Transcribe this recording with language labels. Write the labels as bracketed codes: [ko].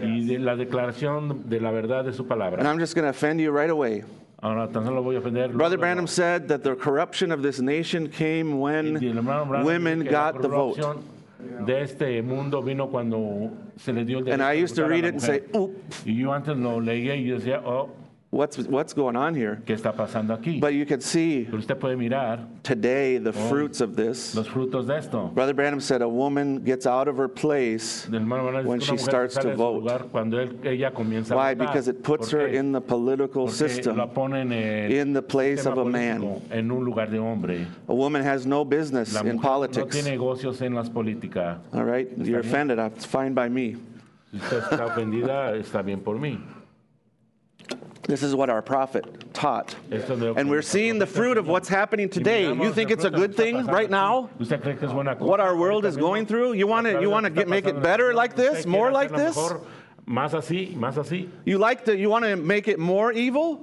[es] Y de la declaración de la verdad de su palabra. [en] And I'm just going to offend you right away. Brother Branham said that the corruption of this nation came when women got the vote. [es] De este mundo vino cuando se le dio el [en] and I used to read it and say, oop. [es] Y yo antes lo leía y decía, oh, [en] what's going on here? [es] ¿Qué está pasando aquí? [en] But you can see [es] usted puede mirar [en] today the fruits of this. [es] Los frutos de esto. [en] Brother Branham said a woman gets out of her place when she starts to vote. [es] Lugar cuando él, ella comienza a [en] why? [es] Votar. [en] Because it puts her in the political [es] porque [en] system [es] la pone en el [en] in the place of a man. [es] En un lugar de hombre. [en] A woman has no business [es] la mujer [en] in politics. [es] No tiene negocios en las políticas. [en] All right, you're offended. It's fine by me. [es] Si usted está ofendida, está bien por mí. [en] This is what our prophet taught. And we're seeing the fruit of what's happening today. You think it's a good thing right now? What our world is going through? You want to get, make it better like this? More like this? You want to make it more evil?